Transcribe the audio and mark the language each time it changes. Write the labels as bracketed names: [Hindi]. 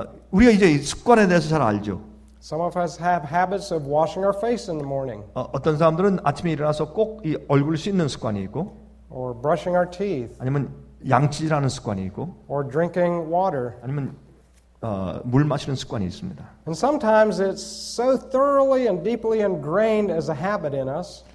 [Korean] 우리가 이제 습관에 대해서 잘 알죠. [English] Some of us have habits of washing our face in the morning. [Korean] 어떤 사람들은 아침에 일어나서 꼭 이 얼굴을 씻는 습관이 있고 [English] or brushing our teeth [Korean] 아니면 양치질하는 습관이 있고 [English] or drinking water [Korean] 아니면 물 마시는 습관이 있습니다. [English] And sometimes it's so thoroughly and deeply ingrained as a habit in us.